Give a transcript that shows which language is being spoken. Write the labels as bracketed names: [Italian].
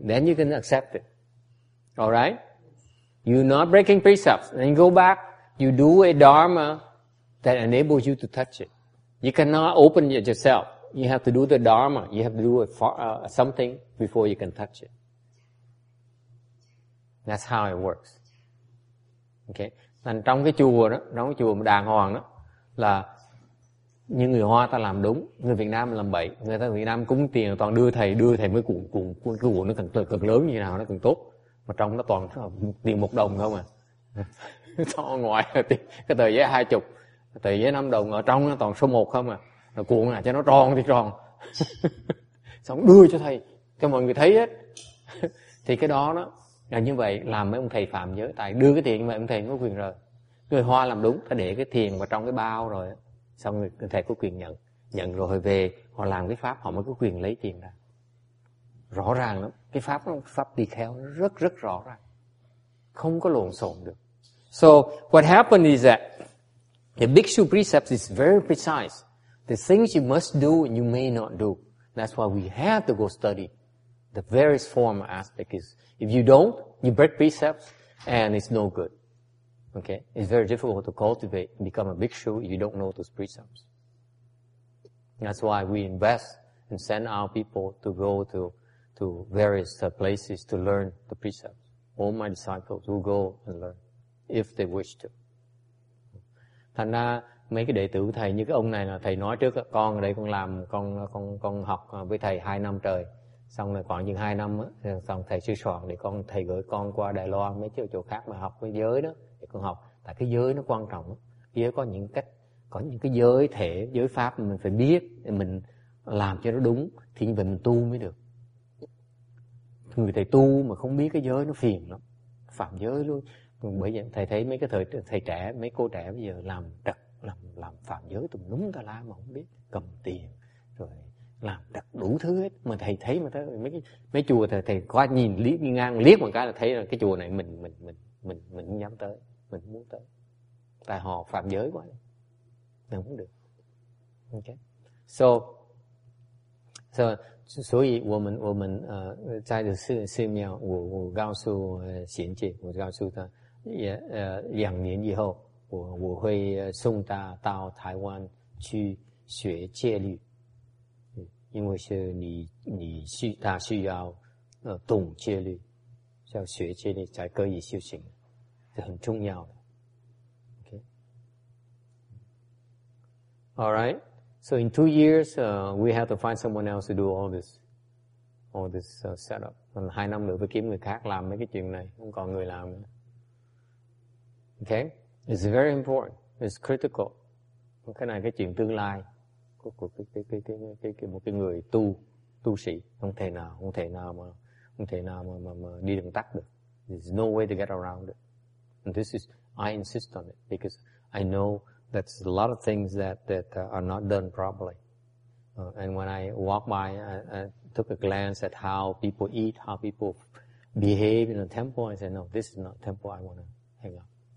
[English] Then you can accept it. All right? You're not breaking precepts. Then you go back, you do a dharma that enables you to touch it. You cannot open it yourself. You have to do the dharma. You have to do something before you can touch it. That's how it works. Okay? [Vietnamese] Nên trong cái chùa đó, trong cái chùa mà đàng hoàng đó, là như người Hoa ta làm đúng, người Việt Nam làm bậy, người ta Việt Nam cúng tiền toàn đưa thầy mới cuộn nó càng lớn như nào nó càng tốt. Mà trong nó toàn tiền một đồng không à. Ở ngoài cái tờ giấy 20, tờ giấy 5 đồng, ở trong nó toàn số 1 không à. Nó cuộn lại cho nó tròn thì tròn. Xong đưa cho thầy, cho mọi người thấy hết. Thì cái đó nó là như vậy, làm mấy ông thầy phạm giới. Tại đưa cái tiền như vậy, ông thầy không có quyền rồi. Người Hoa làm đúng, ta để cái tiền vào trong cái bao rồi. Xong người thầy có quyền nhận. Nhận rồi về, họ làm cái pháp, họ mới có quyền lấy tiền ra. Rõ ràng lắm. Cái pháp đó, pháp đi theo rất rất rõ ràng. Không có lộn xộn được. [English] So, what happened is that the Bhikshu precepts is very precise. The things you must do and you may not do. That's why we have to go study the various form of aspect. Is if you don't, you break precepts and it's no good. Okay? It's very difficult to cultivate and become a Bhikshu if you don't know those precepts. That's why we invest and send our people to go to various places to learn the precepts. All my disciples will go and learn if they wish to. [Vietnamese] Thành ra mấy cái đệ tử của thầy như cái ông này là thầy nói trước, con ở đây con làm, con học với thầy 2 năm trời, xong rồi khoảng chừng 2 năm xong thầy sư soạn để con, thầy gửi con qua Đài Loan mấy chỗ khác mà học cái giới đó để con học. Tại cái giới nó quan trọng, giới có những cách, có những cái giới thể, giới pháp mà mình phải biết để mình làm cho nó đúng thì như vậy mình tu mới được. Người thầy tu mà không biết cái giới nó phiền lắm, phạm giới luôn. Bởi vậy thầy thấy mấy cái thầy trẻ, mấy cô trẻ bây giờ làm đặc, làm phạm giới tùm lum tà la mà không biết, cầm tiền rồi làm đặc đủ thứ hết. Mà thầy thấy mà thấy mấy chùa thầy qua nhìn liếc ngang liếc một cái là thấy là cái chùa này mình không dám tới, mình không muốn tới, tại họ phạm giới quá, mình không được. [English] Okay, so [Chinese] 所以我们在这寺庙，我告诉贤姐，我告诉她，两年以后我会送她到台湾去学戒律，因为是你需要懂戒律，要学戒律才可以修行，这很重要的。 [English] Okay. All right? So in 2 years, we have to find someone else to do all this setup. [Vietnamese] Còn 2 năm nữa phải kiếm người khác làm mấy cái chuyện này, không còn người làm nữa. [English] Okay? It's very important. It's critical. [Vietnamese] Cái này cái chuyện tương lai của một cái người tu sĩ không thể nào mà đi đường tắt được. [English] There's no way to get around it. And this is, I insist on it because I know that a lot of things that are not done properly. And when I walk by, I took a glance at how people eat, how people behave in a temple, I said, no, this is not a temple I want to hang out.